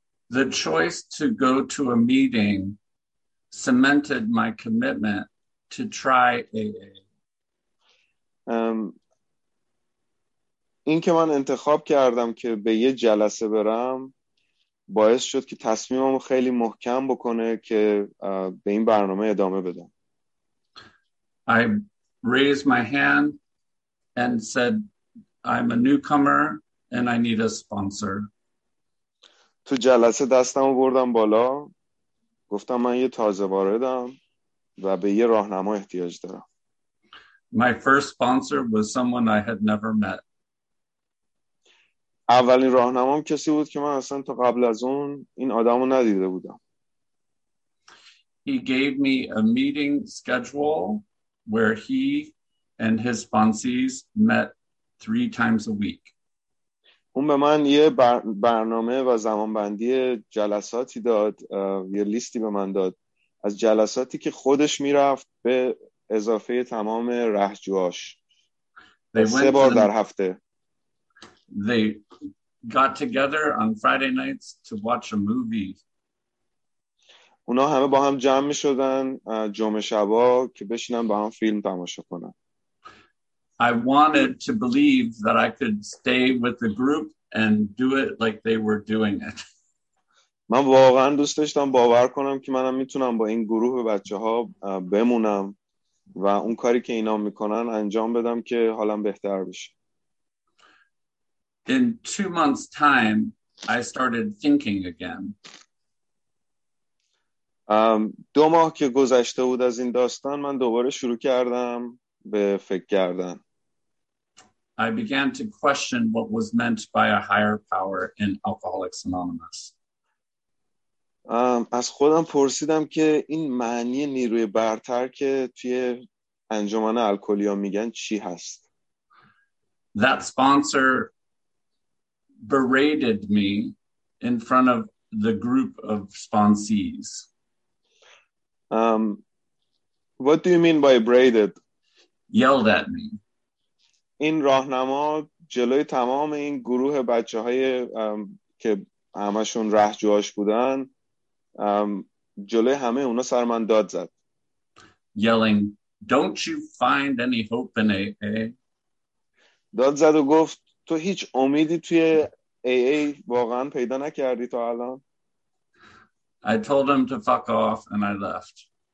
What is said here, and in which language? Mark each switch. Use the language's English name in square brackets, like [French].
[English] The choice to go to a meeting cemented my commitment to try AA. [Persian] این که من انتخاب کردم که به یه جلسه برم باعث شد که تصمیممو خیلی محکم بکنه که به این برنامه ادامه بدم. [English] I raised my hand and said, I'm a newcomer and I need a sponsor. [Persian] تو جلسه دستمو بردم بالا، گفتم من یه تازه واردم و به یه راهنما احتیاج دارم. [English] My first sponsor was someone I had never met. [Persian] اولین راهنمام کسی بود که من اصلا تا قبل از اون این آدمو ندیده بودم. [English] He gave me a meeting schedule where he and his sponsees met 3 times a week. [Persian] اون به من یه برنامه و زمانبندی جلساتی داد، یه لیستی به من داد از جلساتی که خودش میرفت به اضافه تمام رهجوهاش. سه بار در هفته. [English] They got together on Friday nights to watch a movie. [Persian] اونا همه با هم جمع می‌شدن جمعه شبا که بشینن با هم فیلم تماشا کنن. [English] I wanted to believe that I could stay with the group and do it like they were doing it. [Persian] من واقعا دوست داشتم باور کنم که منم میتونم با این گروه بچه‌ها بمونم و اون کاری که اینا میکنن انجام بدم که حالم بهتر بشه. [English] In 2 months' time, I started thinking again. [Persian] دو ماه که گذشته بود از این داستان، من دوباره شروع کردم به فکر کردن. [English] I began to question what was meant by a higher power in Alcoholics Anonymous. [Persian] از خودم پرسیدم که این معنی نیروی برتر که توی انجمن الکلیا میگن چی هست. [English] That sponsor berated me in front of the group of sponsees. What do you mean by berated? Yelled at me. [Persian] این راهنما جلوی تمام این گروه بچه‌های که همشون رهجوهاش بودن جلوی همه اونا سر من داد زد. [English] Yelling, don't you find any hope in AA? [Persian] داد زد و گفت تو هیچ امیدی توی AA واقعا پیدا نکردی تا الان؟ [English] I told him to fuck off and I left.